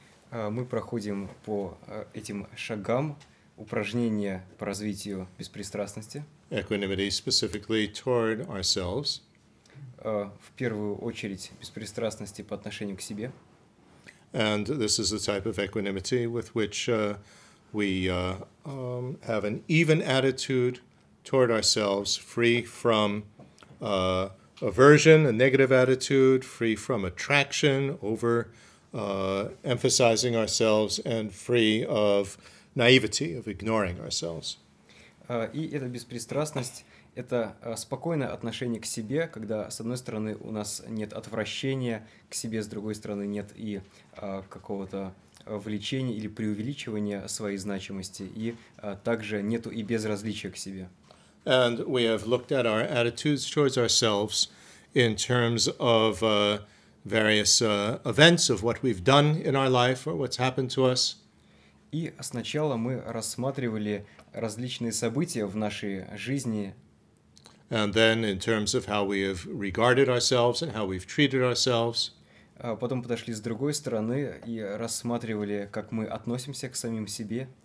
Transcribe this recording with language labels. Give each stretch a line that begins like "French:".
Russian: Мы проходим по этим шагам упражнения по развитию беспристрастности.
English: Equanimity specifically toward ourselves.
Russian: В первую очередь беспристрастности по отношению к себе.
English: And this is the type of equanimity with which we have an even attitude toward ourselves, free from aversion, a negative attitude, free from attraction, over emphasizing ourselves, and free of naivety, of ignoring ourselves.
Russian: И эта беспристрастность — это спокойное отношение к себе, когда, с одной стороны, у нас нет отвращения к себе, с другой стороны, нет и какого-то влечения или преувеличивания своей значимости, и также нету и безразличия к себе.
English: And we have looked at our attitudes towards ourselves in terms of various events of what we've done in our life or what's happened to us.
Russian: И сначала мы рассматривали различные события в нашей жизни.
English: And then in terms of how we have regarded ourselves and how we've treated ourselves.
Russian: Потом подошли с другой стороны и рассматривали, как мы относимся к самим себе.